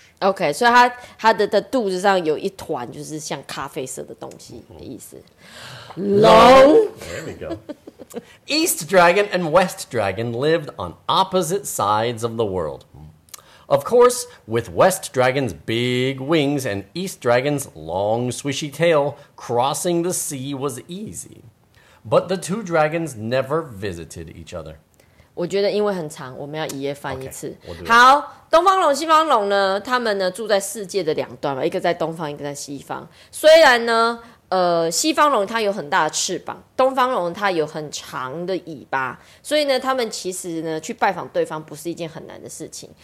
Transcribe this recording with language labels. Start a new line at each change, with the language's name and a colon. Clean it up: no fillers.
Chinese: Okay, 所以它的肚子上有一团就是像咖啡色的东西的意思.
English: Long! There we go. East Dragon and West Dragon lived on opposite sides of the world. Of course, with West Dragon's big wings and East Dragon's long swishy tail, crossing the sea was easy. But the two dragons never visited each other.
Chinese: 我觉得因为很长，我们要一页翻一次。
English: Okay,
Chinese: 好，东方龙、西方龙呢？他们呢住在世界的两端嘛，一个在东方，一个在西方。虽然呢，西方龙它有很大的翅膀，东方龙它有很长的尾巴，所以呢，他们其实呢去拜访对方不是一件很难的事情。